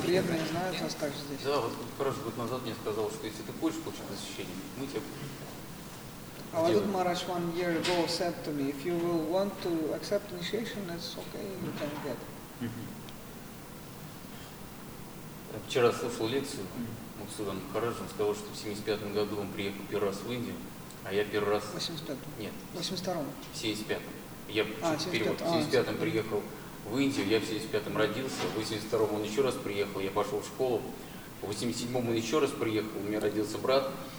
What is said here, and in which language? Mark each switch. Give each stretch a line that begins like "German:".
Russian: Приятные знают вас также здесь. Да, вот хорошо, год назад мне сказал, что если ты хочешь получить посвящение, мы тебе...
English: Avadhut Maharaj one year ago said to me, if you will want to accept initiation, that's okay, you can get it.
Russian: Я вчера слушал лекцию Мацуна Махараджа, он сказал, что в 75-м году он приехал первый раз в Индию, а я первый раз... В 85-м? Нет. В 82-м? В 75-м. Я перевод. В 75-м приехал в Индию, я в 75-м родился, в 82-м он еще раз приехал, я пошел в школу, в 87-м он еще раз приехал, у меня родился брат.